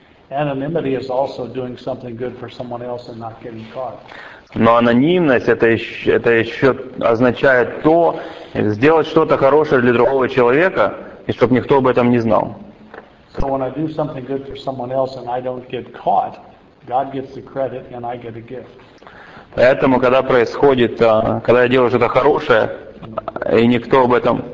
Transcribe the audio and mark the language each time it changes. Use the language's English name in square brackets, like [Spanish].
[English] Anonymity is also doing something good for someone else and not getting caught. [Russian] Но анонимность это еще означает то, сделать что-то хорошее для другого человека, и чтобы никто об этом не знал. [English] So when I do something good for someone else and I don't get caught, God gets the credit and I get a gift. [Russian] Поэтому, когда происходит, когда я делаю что-то хорошее, и никто об этом.